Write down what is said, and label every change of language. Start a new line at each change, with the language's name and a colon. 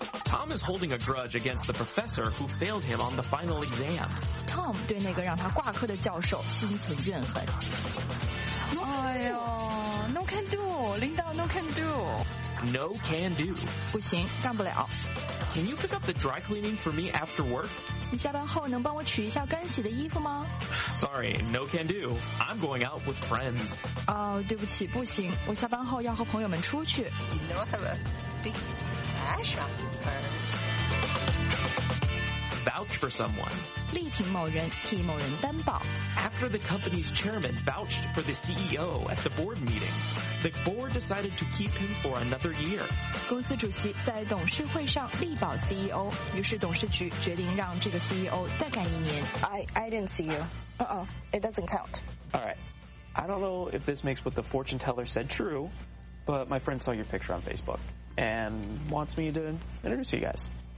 English: Tom is holding a grudge against the professor who failed him on the final exam。
Chinese: Tom 对那个让他挂科的教授心存怨恨。
English: 哎呦 ，No can do， 领导 No can do。 No can do，
Chinese: 不行，干不了。
English: Can you pick up the dry cleaning for me after work？
Chinese: 你下班后能帮我取一下干洗的衣服吗
English: ？Sorry， No can do。 I'm going out with friends。
Chinese: 哦，对不起，不行，我下班后要和朋友们出去。
English: You know I have a big crush on her。 Vouch for someone。
Chinese: 力挺某人，替某人担保。
English: After the company's chairman vouched for the CEO at the board meeting, the board decided to keep him for another year.
Chinese: 公司主席在董事会上力保 CEO, 于是董事局决定让这个 CEO 再干一年。
English: I didn't see you. Uh-oh, it doesn't count. All right. I don't know if this makes what the fortune teller said true, but my friend saw your picture on Facebook and wants me to introduce you guys.